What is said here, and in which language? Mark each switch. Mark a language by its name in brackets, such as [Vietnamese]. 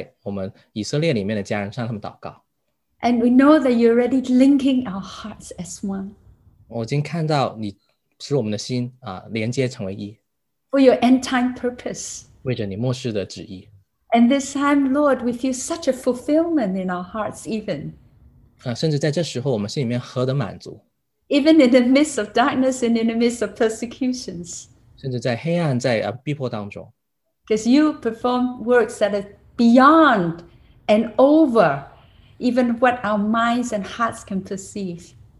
[Chinese] 所以我们求你圣灵降下，带领我们如何去在我们以色列里面的家人上他们祷告。 [English] And we know that you're already linking our hearts as one. [Chinese] 我已经看到你使我们的心连接成为一。 [English] For your end time purpose. [Chinese] 为着你末世的旨意。 [English] And this time, Lord, we feel such a fulfillment in our hearts even. [Chinese] 甚至在这时候我们心里面何等满足。 [English] Even in the midst of darkness and in the midst of persecutions. [Chinese] 甚至在黑暗在逼迫当中。 [English] Because you perform works that are beyond and over even what our minds and hearts can perceive.